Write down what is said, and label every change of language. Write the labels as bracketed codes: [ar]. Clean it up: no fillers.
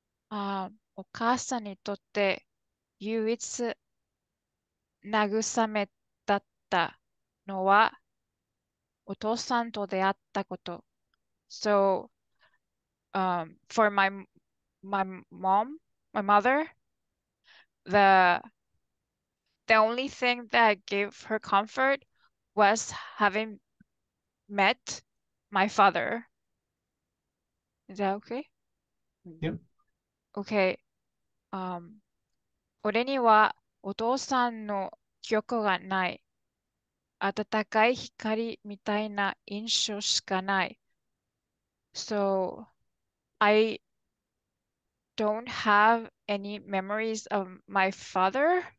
[ja] お母さん にとって唯一慰めだったのはお父さんと出会ったこと。 [en] So, for my mom, my mother, the only thing that gave her comfort was having met my father. Is that okay? Yep. Okay. [ja] 俺にはお父さんの記憶がない。暖かい光みたいな印象しかない。 [en] So, I don't have any memories of my father.